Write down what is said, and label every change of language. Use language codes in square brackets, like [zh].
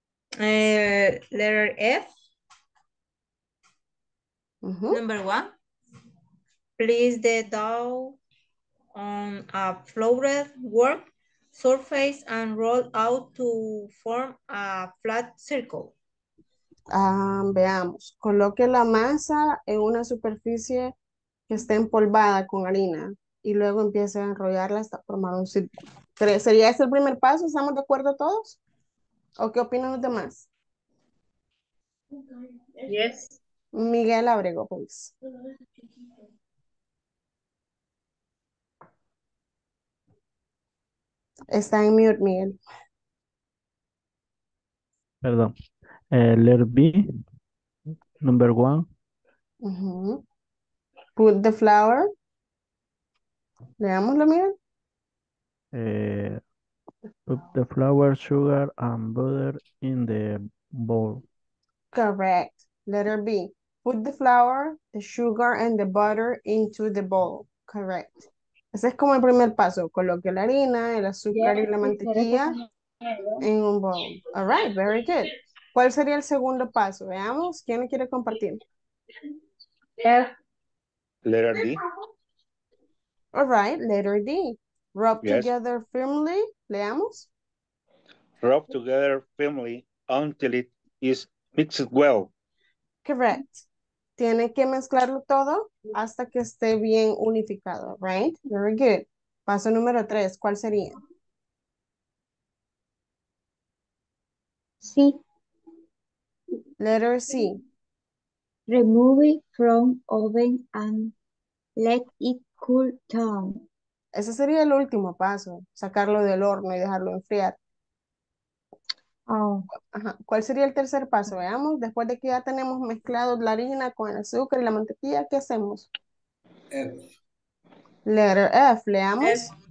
[en] Letter F. Uh-huh. Number one. Place the dough on a floured work surface and roll out to form a flat circle. [es] Veamos. Coloque la masa en una superficie que esté empolvada con harina. Y luego empiece a enrollarla hasta formar un círculo. ¿Sería ese el primer paso? ¿Estamos de acuerdo todos? ¿O qué opinan los demás? [en] Yes. [es] Miguel Abrego, pues. Está en mute, Miguel. Perdón. [en] Letter B, number one. Uh-huh. Put the flower. Leámoslo, Miguel. Put the flour, sugar, and butter in the bowl. Correct. Letter B. Put the flour, the sugar, and the butter into the bowl. [es] Correct. Ese es como el primer paso. Coloque la harina, el azúcar y la mantequilla en un bowl. [en] All right, very good. [es] ¿Cuál sería el segundo paso? Veamos. ¿Quién quiere compartir? [en] Letter B. All right, letter D. Rub yes. together firmly. Leamos. Rub together firmly until it is mixed well. Correct. [es] Tiene que mezclarlo todo hasta que esté bien unificado, right? [en] Very good. [es] Paso número tres, ¿cuál sería? [en] C. Letter C. Remove it from oven and let it cool down. [es] Ese sería el último paso, sacarlo del horno y dejarlo enfriar. Oh. Ajá. ¿Cuál sería el tercer paso? Veamos, después de que ya tenemos mezclado la harina con el azúcar y la mantequilla, ¿qué hacemos? [en] F. Letter F, leamos.